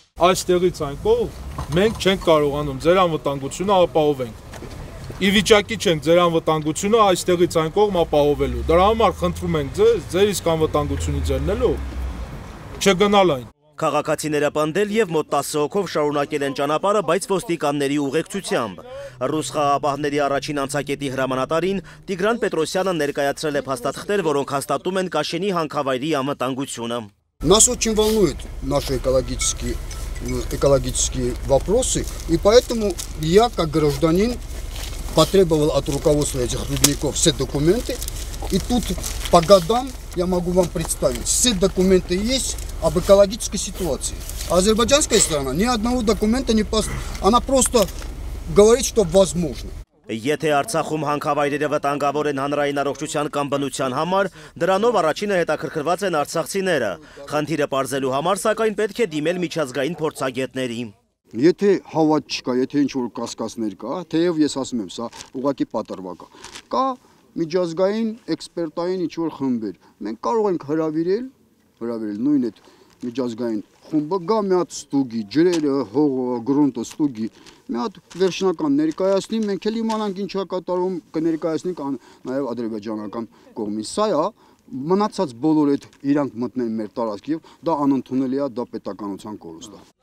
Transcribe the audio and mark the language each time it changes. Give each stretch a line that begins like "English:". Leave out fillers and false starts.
Armenian: Այստեղից այն կողմ մենք չենք կարողանում ձեր անվտանգությունը ապահովենք։ Ի վիճակի չեն ձեր անվտանգությունը այստեղից այն կողմ ապահովելու։ Դրա համար խնդրում ենք ձեզ ձեր իսկ անվտանգությունից ելնելով չգնալ այն։ Քաղաքացիները պնդել և մոտ 10 հոգով շարունակել են ճանապարհը, բայց ոստիկանների ուղեկցությամբ։ Ռուս խաղապահների առաջին անցակետի հրամանատարին Տիգրան Պետրոսյանը ներկայացրել է փաստաթղթեր, որոնք հաստատում են Կաշենի հանքավայրի անվտանգությունը։
Russian: Нас очень волнует наши экологические вопросы, и поэтому я как гражданин потребовал от руководства этих рудников все документы. И тут по годам я могу вам представить, все документы есть об экологической ситуации. А азербайджанская сторона ни одного документа не поставила. Она просто говорит, что возможно.
Armenian: Եթե Արցախում հանքավայրերը վտանգավոր են հանրային առողջության կամ բնության համար, դրանով առաջինը հետաքրքրված են արցախցիները։ Խնդիրը պարզելու համար, սակայն, պետք է դիմել միջազգային փորձագետների։ Եթե հավատ չկա, եթե ինչ-որ կասկածներ կա, թեև ես ասում եմ, սա ուղղակի պատրվակա։ Կա միջազգային էքսպերտային ինչ-որ խմբեր, մենք կարող ենք հրավիրել նույն այդ միջազգային խումբը, գա մի հատ ստուգի, ջրերը, հողը, գրունտը ստուգի, մի հատ վերջնական ներկայացնի, մենք էլ իմանանք ինչ է կատարվում, կներկայացնենք նաև ադրբեջանական կողմին։ Սա է, մնացած բոլոր այդ իրանք մտնեն մեր տարածք, և դա անընդունելի է, դա պետականության կորուստ է։